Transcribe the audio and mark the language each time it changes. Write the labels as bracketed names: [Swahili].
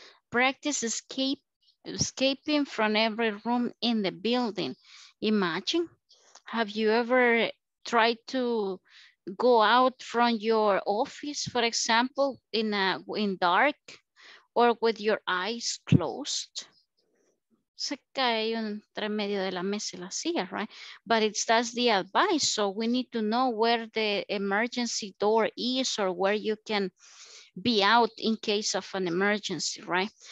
[English] Practice escaping from every room in the building. Imagine, have you ever tried to go out from your office, for example, in dark or with your eyes closed? [Spanish] Se cae entre medio de la mesa y la silla, right? [English] But it's, that's the advice. So we need to know where the emergency door is or where you can be out in case of an emergency, right?